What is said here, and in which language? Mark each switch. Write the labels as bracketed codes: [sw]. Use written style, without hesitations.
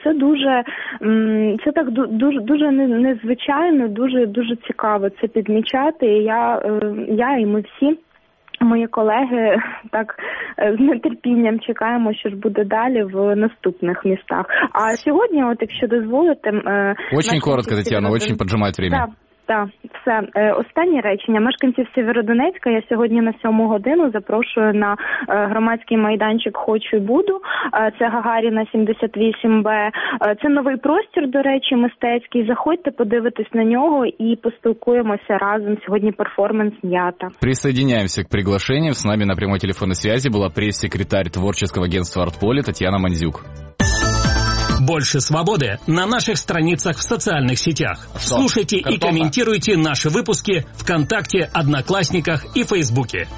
[uk] Це дуже, це так дуже незвичайно. Звичайно, дуже цікаво це підмічати. Я і ми всі, мої колеги, так з нетерпінням чекаємо, що ж буде далі в наступних містах. А сьогодні, от якщо дозволите, [ru] очень коротко, Тетяна, очень поджимає время. [uk] Так. Так, все. Останнє речення. Мешканців Сєвєродонецька я сьогодні на 7 годину запрошую на громадський майданчик «Хочу і буду». Це Гагаріна, 78Б. Це новий простір, до речі, мистецький. Заходьте подивитись на нього і поспілкуємося разом. Сьогодні перформанс «М'ята». [ru] Присоединяємося к приглашению. С нами на прямой телефонной связи была пресс-секретарь творческого агентства «Артполи» Татьяна Мандзюк. Больше свободы на наших страницах в социальных сетях. Что? Слушайте Картоха. И комментируйте наши выпуски ВКонтакте, Одноклассниках и Фейсбуке.